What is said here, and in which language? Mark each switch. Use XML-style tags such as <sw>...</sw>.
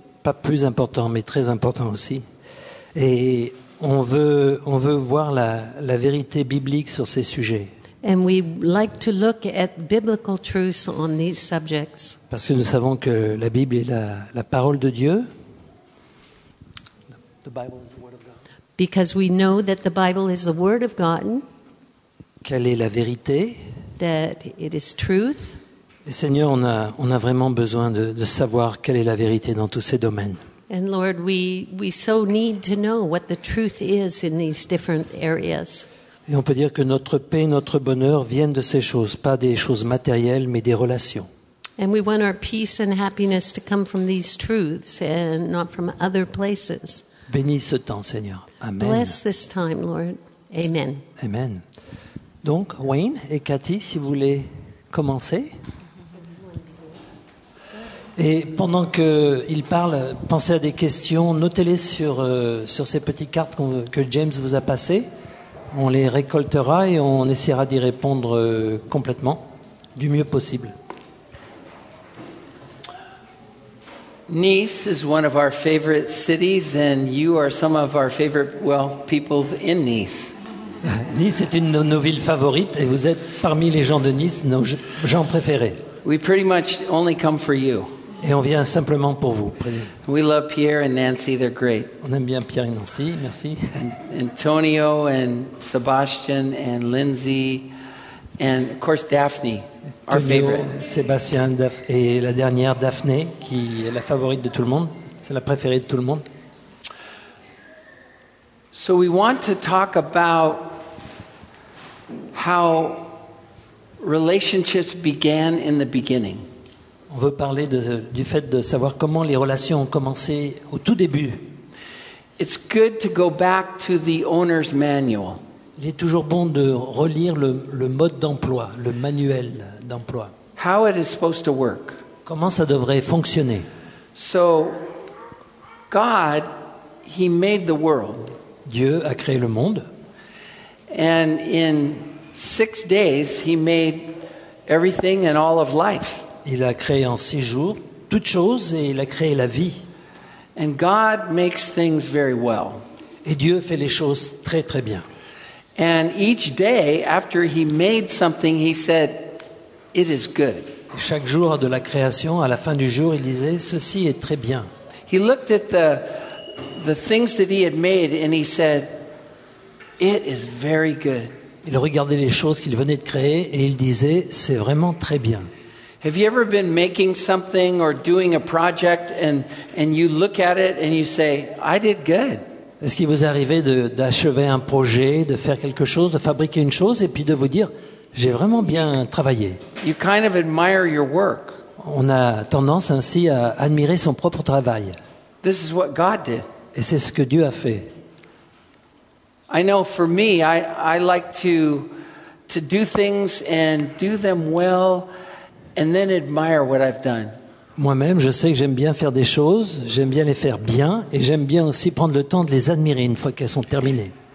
<fr>Pas plus important, mais très important aussi. Et on veut voir la vérité biblique sur ces sujets.</fr> <en>And we like to look at biblical truths on these subjects.</en> <fr>Parce que nous savons que la Bible est la parole de Dieu.</fr> <en>The Bible is the word of God. Because we know that the Bible is the word of God.</en> <fr>Quelle est la vérité?</fr> <en>That it is truth.</en> <fr>Et Seigneur, on a vraiment besoin de savoir quelle est la vérité dans tous ces domaines.</fr> <en>And Lord, we so need to know what the truth is in these different areas.</en> <fr>Et on peut dire que notre paix, notre bonheur viennent de ces choses, pas des choses matérielles, mais des relations.</fr> <en>And we want our peace and happiness to come from these truths and not from other places.</en> <fr>Bénis ce temps, Seigneur. Amen.</fr> <en>Bless this time, Lord. Amen. Amen.</en> <fr>Donc, Wayne et Cathy, si vous voulez commencer. Et pendant qu'ils parlent, pensez à des questions, notez-les sur ces petites cartes que James vous a passées. On les récoltera et on essaiera d'y répondre complètement, du mieux possible.</fr> <en>Nice is one of our favorite cities, and you are some of our favorite, well, people in Nice.</en> <fr>Nice est une de nos villes favorites, et vous êtes parmi les gens de Nice, nos gens préférés.</fr> <en>We pretty much only come for you.</en> <fr>Et on vient simplement pour vous.</fr> <en>We love Pierre and Nancy, they're great.</en> <fr>On aime bien Pierre et Nancy, merci.</fr> <en>Antonio and Sebastian and Lindsay and of course Daphne, our Antonio, favorite.</en> <fr>Sébastien et la dernière Daphne qui est la favorite de tout le monde, c'est la préférée de tout le monde.</fr> <en>So we want to talk about how relationships began in the beginning.</en> <fr>On veut parler du fait de savoir comment les relations ont commencé au tout début.</fr> <en>It's good to go back to the owner's manual.</en> <fr>Il est toujours bon de relire le mode d'emploi, le manuel d'emploi.</fr> <en>How it is supposed to work.</en> <fr>Comment ça devrait fonctionner?</fr> <en>So, God, he made the world.</en> <fr>Dieu a créé le monde.</fr> <en>And in 6 days, he made everything and all of life.</en> <fr>Il a créé en 6 jours toutes choses et il a créé la vie.</fr> <en>And God makes things very well.</en> <fr>Et Dieu fait les choses très très bien.</fr> <en>And each day after he made something he said it is good.</en> <fr>Et chaque jour de la création à la fin du jour il disait ceci est très bien.</fr> <en>He looked at the things that he had made and he said it is very good.</en> <fr>Il regardait les choses qu'il venait de créer et il disait c'est vraiment très bien.</fr> <en>Have you ever been making something or doing a project and you look at it and you say, I did good.</en> <fr>Est-ce qu'il vous est arrivé d'achever un projet, de faire quelque chose, de fabriquer une chose et puis de vous dire, j'ai vraiment bien travaillé?</fr> <en>You kind of admire your work.</en> <fr>On a tendance ainsi à admirer son propre travail.</fr> <en>This is what God did.</en> <fr>Et c'est ce que Dieu a fait.</fr> <en>I know for me, I like to do things and do them well. And then admire what I've done.</en> <fr>Moi-même, je sais que j'aime bien faire des choses, j'aime bien les faire bien, et j'aime bien aussi prendre le temps de les admirer une fois qu'elles sont terminées.</fr>